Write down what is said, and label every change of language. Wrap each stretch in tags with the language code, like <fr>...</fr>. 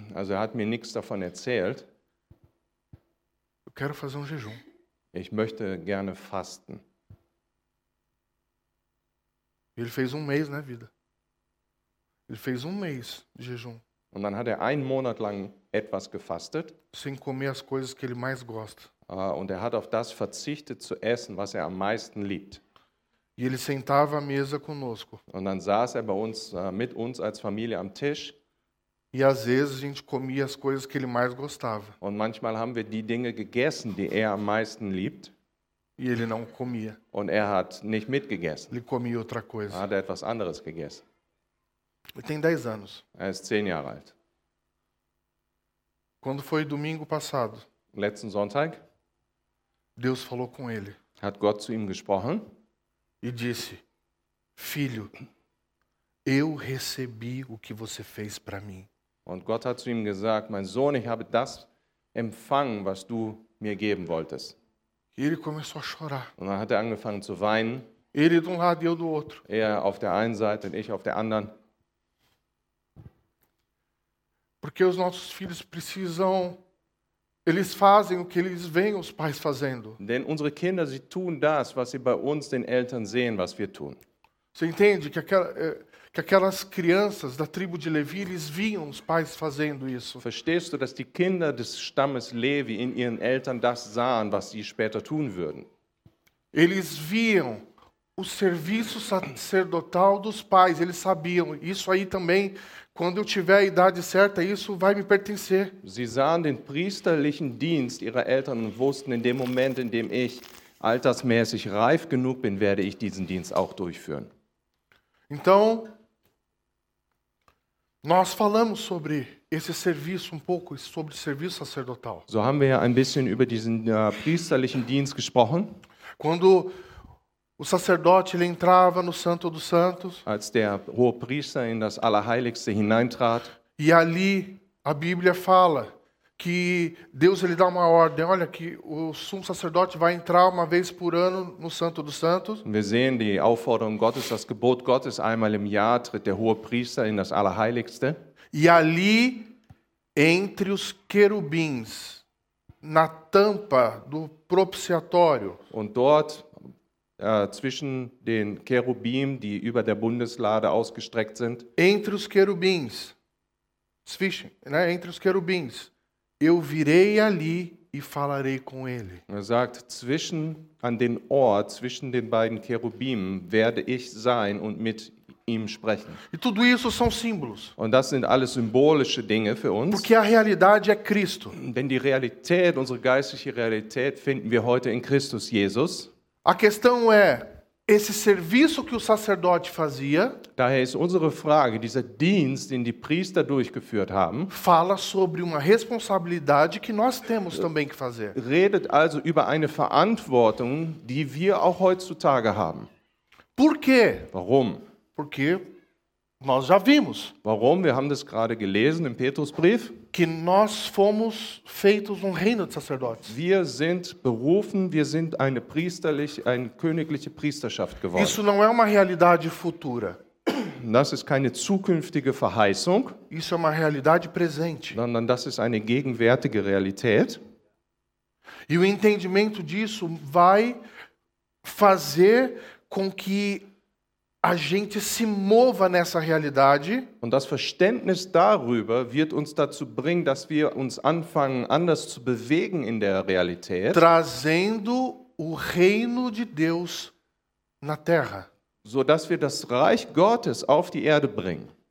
<de>Also er hat mir nichts davon erzählt.</de> <pt>Eu quero fazer um jejum.</pt> <de>Ich möchte gerne fasten.</de> <pt>Ele fez um mês, né, vida? Ele fez um mês de jejum.</pt> <de>Und dann hat er einen Monat lang etwas gefastet.</de> <pt>Sem comer as coisas que ele mais gosta.</pt> <de>Und er hat auf das verzichtet zu essen, was er am meisten liebt.</de> <pt>E ele sentava à mesa conosco.</pt> <de>Und dann saß er bei uns, mit uns als Familie am Tisch.</de> <pt>E às vezes a gente comia as coisas que ele mais gostava.</pt> <de>Und manchmal haben wir die Dinge gegessen, die er am meisten liebt.</de> <pt>E ele não comia.</pt> <de>Und er hat nicht mitgegessen.</de> <pt>Ele comia outra coisa.</pt> <de>Hat er etwas anderes gegessen.</de> <pt>Ele tem 10 anos.</pt> <de>Er ist 10 Jahre alt.</de> <pt>Quando foi domingo passado?</pt> <de>Letzten Sonntag.</de> <pt>Deus falou com ele.</pt> <de>Hat Gott zu ihm gesprochen?</de> <pt>E disse: Filho, eu recebi o que você fez para mim.</pt> <de>Und Gott hat zu ihm gesagt: Mein Sohn, ich habe das empfangen, was du mir geben wolltest.</de> <pt>E ele começou a chorar.</pt> <de>Und dann hat er angefangen zu weinen.</de> <pt>Ele de um lado e eu do outro.</pt> <de>Er auf der einen Seite und ich auf der anderen.</de> <pt>Porque os nossos filhos precisam, eles fazem o que eles veem os pais fazendo.</pt> <de>Denn unsere Kinder, sie tun das, was sie bei uns den Eltern sehen, was wir tun.</de> <pt>Você entende que aquelas crianças da tribo de Levi, eles viam os pais fazendo isso.</pt> <de>Verstehst du, dass die Kinder des Stammes Levi in ihren Eltern das sahen, was sie später tun würden?</de> <pt>Eles viam o serviço sacerdotal dos pais, eles sabiam, isso aí também, quando eu tiver a idade certa, isso vai me pertencer.</pt> <de>Sie sahen den priesterlichen Dienst ihrer Eltern und wussten, in dem Moment, in dem ich altersmäßig reif genug bin, werde ich diesen Dienst auch durchführen.</de> <pt>Então, nós falamos sobre esse serviço um pouco, sobre o serviço sacerdotal.</pt> <de>So haben wir ja ein bisschen über diesen priesterlichen Dienst gesprochen.</de> <pt>Quando o sacerdote ele entrava no Santo dos Santos.</pt> <de>Als der hohe Priester in das Allerheiligste hineintrat.</de> <pt>E ali a Bíblia fala que Deus ele dá uma ordem, olha que o sumo sacerdote vai entrar uma vez por ano no Santo dos Santos.</pt> <de>Wir sehen die Aufforderung Gottes, das Gebot Gottes, einmal im Jahr tritt der hohe Priester in das Allerheiligste.</de> <pt>E ali entre os querubins, na tampa do propiciatório.</pt> <de>Und dort zwischen den Cherubim, die über der Bundeslade ausgestreckt sind.</de> <pt>Entre os querubins. Zwischen, né, entre os querubins. Eu virei ali e falarei com ele.</pt> <de>Er sagt, zwischen an den Ort zwischen den beiden Cherubim werde ich sein und mit ihm sprechen.</de> <pt>E tudo isso são símbolos.</pt> <de>Und das sind alles symbolische Dinge für uns.</de> <pt>Porque a realidade é Cristo.</pt> <de>Denn die Realität, unsere geistliche Realität finden wir heute in Christus Jesus.</de> <pt>A questão é esse serviço que o sacerdote fazia.</pt> <de>Daher ist unsere Frage, dieser Dienst, den die Priester durchgeführt haben,</de> <pt>fala sobre uma responsabilidade que nós temos também que fazer.</pt> <de>Redet also über eine Verantwortung, die wir auch heutzutage haben.</de> <pt>Por quê?</pt> <de>Warum?</de> <pt>Porque nós já vimos.</pt> <de>Warum? Wir haben das gerade gelesen im Petrusbrief.</de> <pt>Que nós fomos feitos reino de sacerdotes.</pt> <de>Wir sind berufen, wir sind eine königliche Priesterschaft geworden.</de> <pt>Isso não é uma realidade futura.</pt> <de>Das ist keine zukünftige Verheißung.</de> <pt>Isso é uma realidade presente.</pt> <de>Sondern das ist eine gegenwärtige Realität.</de> <pt>E o entendimento disso vai fazer com que a gente se mova nessa realidade.</pt> <de>Und das Verständnis darüber wird uns dazu bringen, dass wir uns anfangen, anders zu bewegen in der Realität.</de> <pt>Trazendo o reino de Deus na terra.</pt> <de>So dass wir das Reich Gottes auf die Erde bringen.</de>